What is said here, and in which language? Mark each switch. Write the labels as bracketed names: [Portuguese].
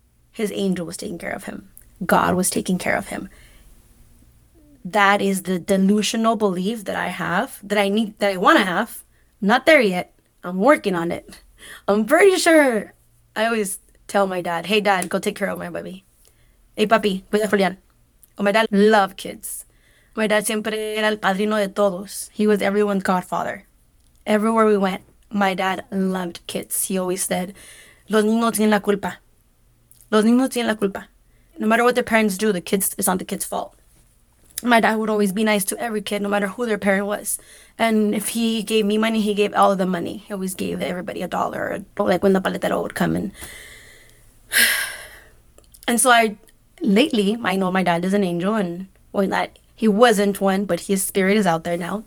[English] His angel was taking care of him. God was taking care of him. That is the delusional belief that I have, that I need, that I want to have. I'm not there yet. I'm working on it. I'm pretty sure. I always tell my dad, hey, dad, go take care of my baby. [Spanish] Hey, papi, cuida Julian. [English] Oh, my dad loved kids. My dad [Spanish] siempre era el padrino de todos. [English] He was everyone's godfather. Everywhere we went, my dad loved kids. He always said, [Spanish] Los niños no tienen la culpa. Los niños no tienen la culpa. [English] No matter what their parents do, the kids, it's not the kids' fault. My dad would always be nice to every kid, no matter who their parent was. And if he gave me money, he gave all of the money. He always gave everybody a dollar, like when the paletero would come. And so lately, I know my dad is an angel, and when that he wasn't one, but his spirit is out there now.